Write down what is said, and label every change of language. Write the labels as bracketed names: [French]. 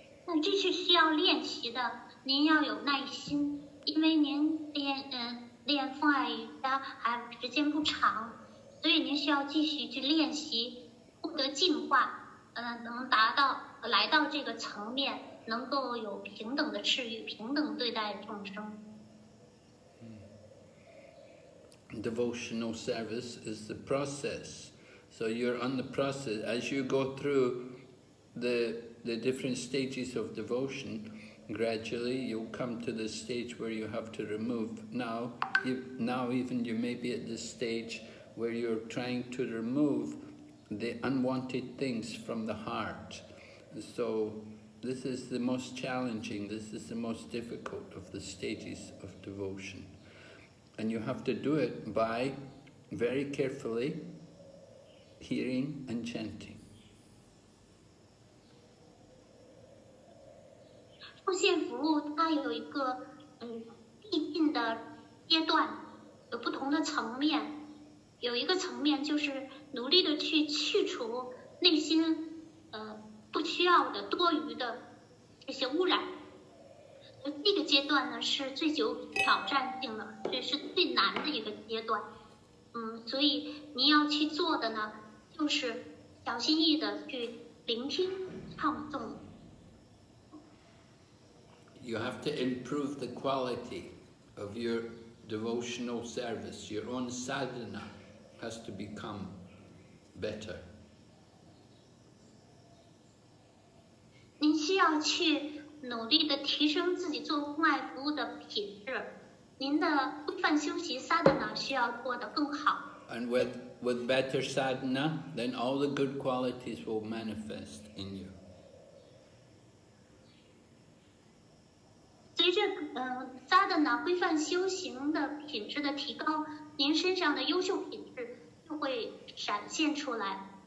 [Chinese] 那这是需要练习的，您要有耐心，因为您练奉爱瑜伽还时间不长，所以您需要继续去练习，获得进化，能达到来到这个层面，能够有平等的赐予，平等对待众生。 [English] Devotional service is the process, so you're on the process. As you go through the different stages of devotion. Gradually, you'll come to the stage where you have to remove. Now even you may be at this stage where you're trying to remove the unwanted things from the heart. So this is the most challenging, this is the most difficult of the stages of devotion. And you have to do it by very carefully hearing and chanting. [Chinese] 奉献服务它有一个递进的阶段，有不同的层面，有一个层面就是努力的去去除内心不需要的多余的这些污染，那个阶段呢是最具有挑战性的，这是最难的一个阶段。所以你要去做的呢就是小心翼翼的去聆听唱诵。 [English] You have to improve the quality of your devotional service. Your own sadhana has to become better. [Chinese] 您需要去努力地提升自己做奉爱服务的品质。您的规范修习 sadhana 需要过得更好。 [English] And with better sadhana, then all the good qualities will manifest in you. [Chinese] 随着sadhana 规范修行的品质的提高，您身上的优秀品质就会闪现出来。